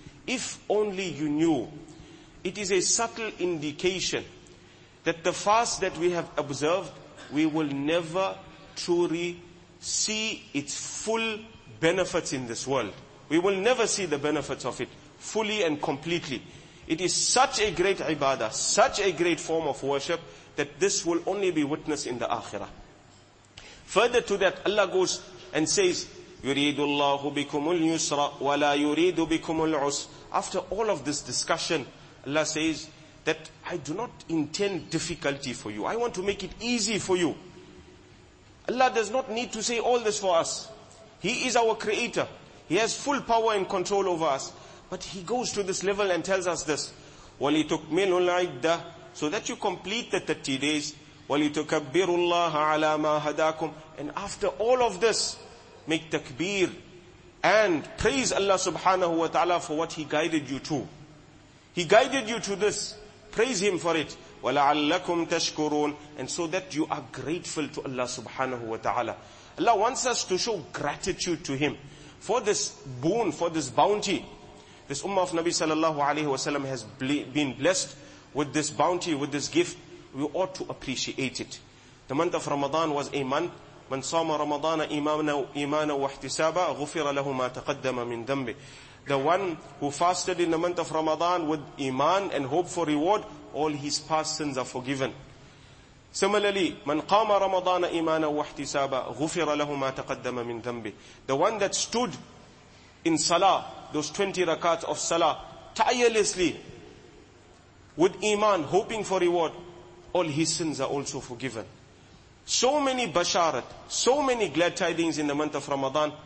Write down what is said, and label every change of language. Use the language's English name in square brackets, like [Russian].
[English] If only you knew. It is a subtle indication that the fast that we have observed, we will never truly see its full benefits in this world. We will never see the benefits of it fully and completely. It is such a great ibadah, such a great form of worship, that this will only be witnessed in the akhirah. Further to that, Allah goes and says, [Arabic] يُرِيدُ اللَّهُ بِكُمُ الْيُسْرَ وَلَا يُرِيدُ بِكُمُ الْعُسْرَ. [English] After all of this discussion, Allah says that I do not intend difficulty for you. I want to make it easy for you. Allah does not need to say all this for us. He is our creator. He has full power and control over us. But He goes to this level and tells us this. [Arabic] وَلِتُكْمِلُ الْعِدَّةِ, [English] so that you complete the 30 days. [Arabic] وَلِتُكَبِّرُ اللَّهَ عَلَى مَا هَدَاكُمْ, [English] and after all of this, make takbir and praise Allah subhanahu wa ta'ala for what He guided you to. He guided you to this. Praise Him for it. [Arabic] وَلَعَلَّكُمْ تَشْكُرُونَ, [English] and so that you are grateful to Allah subhanahu wa ta'ala. Allah wants us to show gratitude to Him for this boon, for this bounty. This ummah of Nabi sallallahu alayhi wa sallam has been blessed with this bounty, with this gift. We ought to appreciate it. The month of Ramadan was a month. [Arabic] من صام رمضان إيمانا واحتسابا غفر له ما تقدم من ذنبه. [English] The one who fasted in the month of Ramadan with iman and hope for reward, all his past sins are forgiven. [Arabic] Similarly, من قام رمضان إيمانا واحتسابا غفر له ما تقدم من ذنبه. [English] The one that stood in salah, those 20 rakats of salah, tirelessly, with iman, hoping for reward, all his sins are also forgiven. So many basharat, so many glad tidings in the month of Ramadan.